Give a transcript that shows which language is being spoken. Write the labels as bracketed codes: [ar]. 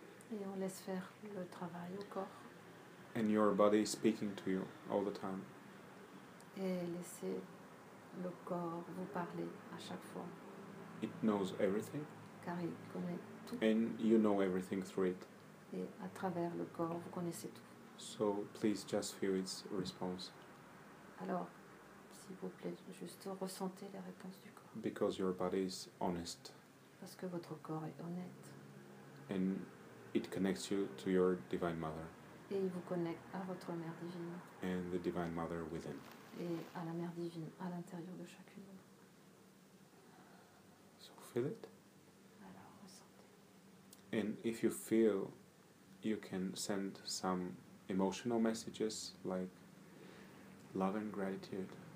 [fr] Et on laisse faire le travail au corps. [en] And your body is speaking to you all the time. [fr] Et laissez le corps vous parler à chaque fois. [en] It knows everything. [fr] Car il connaît tout. [en] And you know everything through it. [fr] Et à travers le corps, vous connaissez tout. [en] So please just feel its response. [fr] Alors, s'il vous plaît, juste ressentez les réponses du corps. [en] Because your body is honest. [fr] Parce que votre corps est honnête. [en] And it connects you to your divine mother. [fr] Et il vous connecte à votre mère divine. [en] And the divine mother within. [fr] Et à la mère divine à l'intérieur de chacune. [en] So feel it. [fr] Alors ressentez. [en] And if you feel, you can send some emotional messages like love and gratitude.